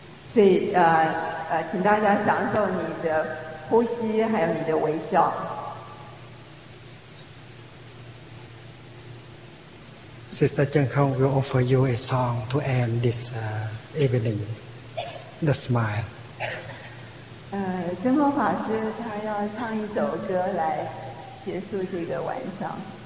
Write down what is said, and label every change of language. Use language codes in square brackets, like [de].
[zh] 所以请大家享受你的呼吸，还有你的微笑。 [en] Sister Cheng Kong will offer you a song to end this evening. The smile. [zh] 真空法师他要唱一首歌来结束这个晚上。